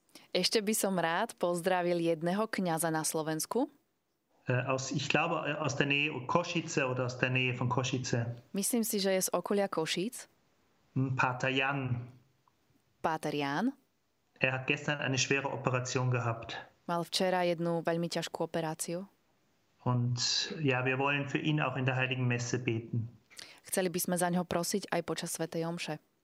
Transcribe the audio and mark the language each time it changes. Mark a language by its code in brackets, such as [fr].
[sk] Ešte by som rád pozdravil jedného kňaza na Slovensku. [de] Aus der Nähe Košice oder aus der Nähe von Košice. [sk] Myslím si, že je z okolia Košíc. [de] Pater Jan. [sk] Pater Jan. [de] Er hat gestern eine schwere Operation gehabt. [sk] Mal včera jednu veľmi ťažkú operáciu. [de] Und ja, wir wollen für ihn auch in der Heiligen Messe beten. [sk] Chceli by sme za neho prosiť aj počas Svätej omše.